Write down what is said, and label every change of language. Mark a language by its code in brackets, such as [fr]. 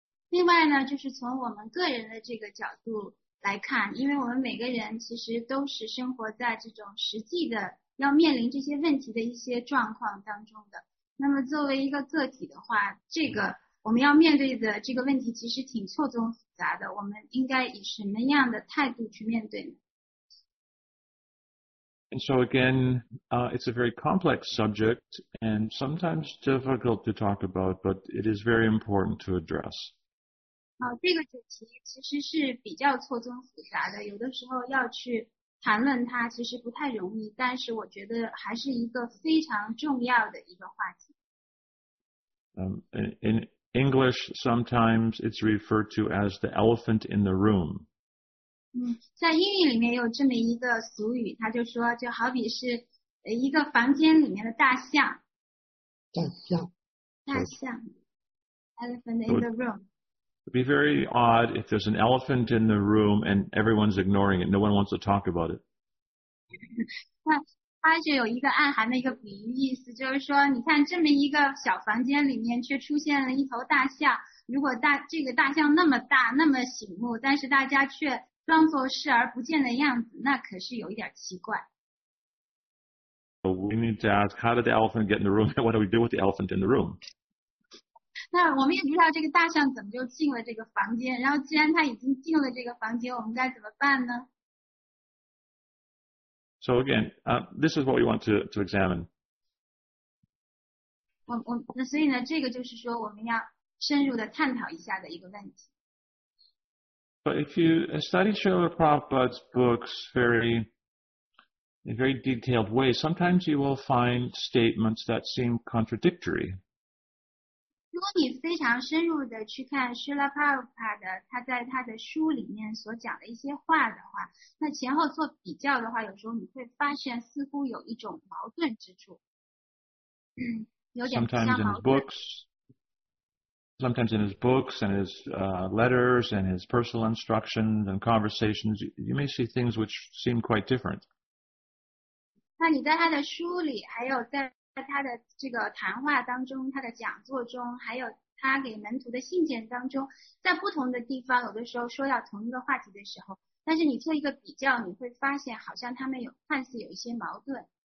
[zh] 另外呢，就是从我们个人的这个角度来看，因为我们每个人其实都是生活在这种实际的要面临这些问题的一些状况当中的。那么作为一个个体的话，这个我们要面对的这个问题其实挺错综复杂的，我们应该以什么样的态度去面对呢？ [en] And so again, it's a very complex subject and sometimes difficult to talk about, but it is very important to address. [zh] 这个主题其实是比较错综复杂的，有的时候要去谈论它其实不太容易，但是我觉得还是一个非常重要的一个话题。 [en] In English, sometimes it's referred to as the elephant in the room. [zh] 在英语里面有这么一个俗语，他就说就好比是一个房间里面的大象。大象。大象。 [en] Elephant in the room. It would be very odd if there's an elephant in the room and everyone's ignoring it. No one wants to talk about it. [zh] 他就有一个暗含的一个比喻意思，就是说你看这么一个小房间里面却出现了一头大象，如果这个大象那么大那么醒目，但是大家却装作视而不见的样子，那可是有一点奇怪。 [en] We need to ask, how did the elephant get in the room? What do we do with the elephant in the room? [zh] 那我们也不知道这个大象怎么就进了这个房间，然后既然它已经进了这个房间，我们该怎么办呢？ [en] So again, this is what we want to examine. [zh] 那所以呢，这个就是说我们要深入的探讨一下的一个问题。 [en] But if you study Srila Prabhupada's books in very detailed ways, sometimes you will find statements that seem contradictory. [zh] 如果你非常深入的去看 Srila Prabhupada 他在他的书里面所讲的一些话的话，那前后做比较的话，有时候你会发现似乎有一种矛盾之处，有点像矛盾。 [en] Sometimes in his books and his letters and his personal instructions and conversations, you may see things which seem quite different. [zh] 那你在他的书里，还有在他的这个谈话当中，他的讲座中，还有他给门徒的信件当中，在不同的地方，有的时候说到同一个话题的时候，但是你做一个比较，你会发现好像他们有看似有一些矛盾。